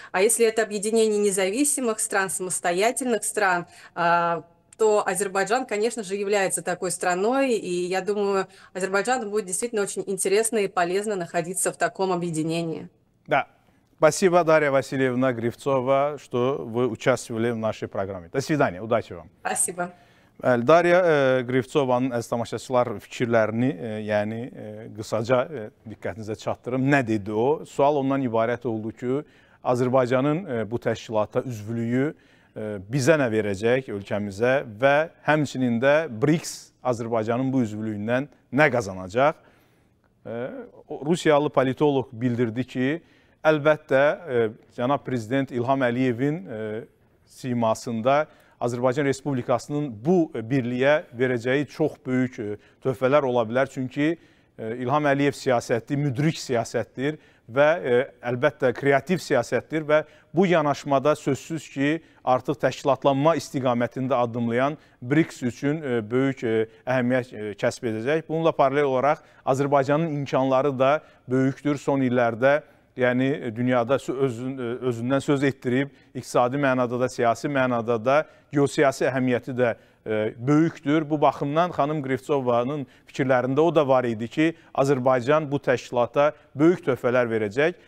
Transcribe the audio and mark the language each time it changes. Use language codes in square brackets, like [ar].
[ru] А если это объединение независимых стран, самостоятельных стран, то Азербайджан, конечно же, является такой страной, и я думаю, Азербайджану будет действительно очень интересно и полезно находиться в таком объединении. Да. Спасибо, Дарья Васильевна Гривцова, что вы участвовали в нашей программе. До свидания, удачи вам. Спасибо. [az] Bəli, Dariya Qrivçovanın əziz tamaşaçılar fikirlərini, yəni qısaca diqqətinizə çatdırım. Nə dedi o? Sual ondan ibarət oldu ki, Azərbaycanın bu təşkilata üzvlüyü bizə nə verəcək ölkəmizə və həmçinin də BRICS Azərbaycanın bu üzvlüyündən nə qazanacaq? Rusiyalı politoloq bildirdi ki, əlbəttə cənab prezident İlham Əliyevin simasında Azərbaycan Respublikasının bu birliyə verəcəyi çox böyük töhfələr ola bilər. Çünki İlham Əliyev siyasətdir, müdrik siyasətdir ve elbette kreatif siyasettir ve bu yanaşmada sözsüz ki artık təşkilatlanma istiqamətində adımlayan BRICS üçün büyük əhəmiyyət kəsb edəcək. Bununla paralel olarak Azərbaycanın imkanları da büyüktür son illerde. Yani dünyada özündən söz etdirib, iqtisadi mənada da, siyasi mənada da, geosiyasi əhəmiyyəti də böyükdür. Bu baxımdan xanım Qrivtsovanın fikirlərində o da var idi ki, Azərbaycan bu təşkilata böyük töhfələr verəcək.